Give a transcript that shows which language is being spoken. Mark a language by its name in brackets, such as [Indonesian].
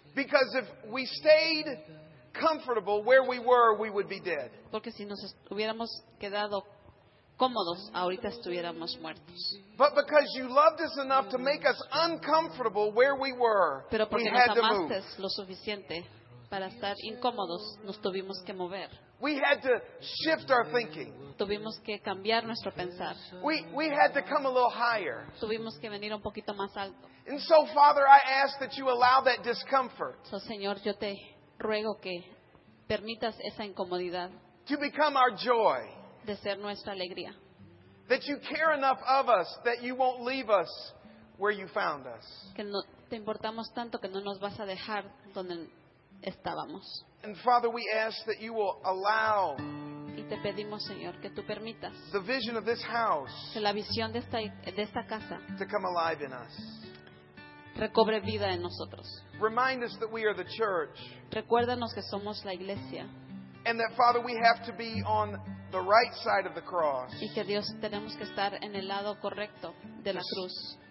[English] Because if we stayed comfortable where we were, we would be dead. [Spanish] Porque si nos hubiéramos quedado cómodos, ahorita estuviéramos muertos. [English] But because you loved us enough to make us uncomfortable where we were, [Spanish] pero porque [English] we had [Spanish] nos amaste [English] to move. [Spanish] Lo suficiente para estar incómodos, nos tuvimos que mover. [English] We had to shift our thinking. [Spanish] Tuvimos que cambiar nuestro pensar. [English] We had to come a little higher. [Spanish] Tuvimos que venir un poquito más alto. [English] And so, Father, I ask that you allow that discomfort. [Spanish] So, Señor, yo te ruego que permitas esa incomodidad. [English] To become our joy. [Spanish] De ser nuestra alegría. [English] That you care enough of us that you won't leave us where you found us. [Spanish] Que no te importamos tanto que no nos vas a dejar donde estábamos. [English] And Father, we ask that you will allow. [Spanish] Y te pedimos, Señor, que tú permitas. [English] The vision of this house. [Spanish] Que la visión de esta casa. [English] To come alive in us. [Spanish] Recobre vida en nosotros. [English] Remind us that we are the church. [Spanish] Recuérdanos que somos la iglesia. [English] And that Father, we have to be on the right side of the cross. [Spanish] Y que Dios, tenemos que estar en el lado correcto de la cruz.